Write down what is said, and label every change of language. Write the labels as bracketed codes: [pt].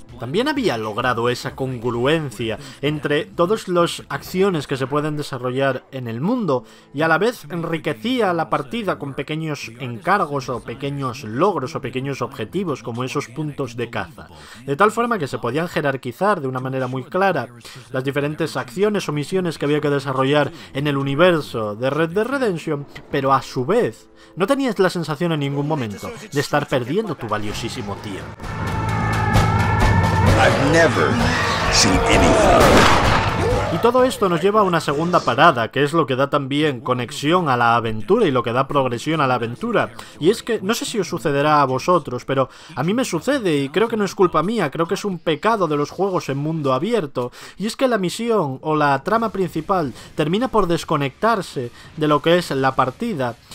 [es] también había logrado esa congruencia entre todas las acciones que se pueden desarrollar en el mundo y a la vez enriquecía la partida con pequeños encargos o pequeños logros o pequeños objetivos como esos puntos de caza. De tal forma que se podían jerarquizar de una manera muy clara las diferentes acciones o misiones que había que desarrollar en el universo de Red Dead Redemption, pero a su vez no tenías la sensación en ningún momento de estar perdiendo tu valiosísimo tiempo. [en] I've never seen anything. [es] Y todo esto nos lleva a una segunda parada, que es lo que da también conexión a la aventura y lo que da progresión a la aventura. Y es que, no sé si os sucederá a vosotros, pero a mí me sucede y creo que no es culpa mía, creo que es un pecado de los juegos en mundo abierto. Y es que la misión o la trama principal termina por desconectarse de lo que es la partida.